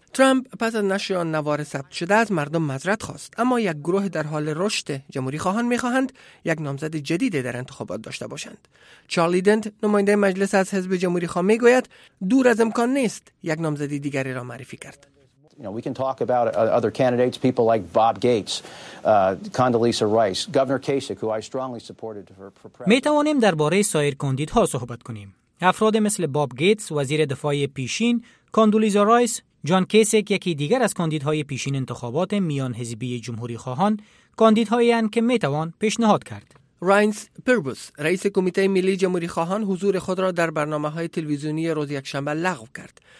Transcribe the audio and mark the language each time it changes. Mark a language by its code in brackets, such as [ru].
[fa] ترامپ پس از نشر آن نوار ثبت شده از مردم معذرت خواست، اما یک گروه در حال رشد جمهوری خواهان می خواهند یک نامزد جدید در انتخابات داشته باشند. چارلی دنت نماینده مجلس از حزب جمهوری خواه می گوید دور از امکان نیست یک نامزد دیگری را معرفی کرد. [en] You know, we can talk about other candidates, people like Bob Gates, Condoleezza Rice, Governor Kasich, who I strongly supported for president. [fa] می توانیم درباره سایر کاندیداها صحبت کنیم. افراد مثل باب گیتس، وزیر دفاع پیشین، کاندولیزا رایس، جان کیسیک یکی دیگر از کاندیداهای پیشین انتخابات میان حزبی جمهوری خواهان، کاندیدهایی هستند که می توان پیشنهاد کرد. راینز پیربوس، رئیس کمیته ملی جمهوری خواهان، حضور خود را در برنامه‌های تلویزیونی روز یکشنبه لغو کرد.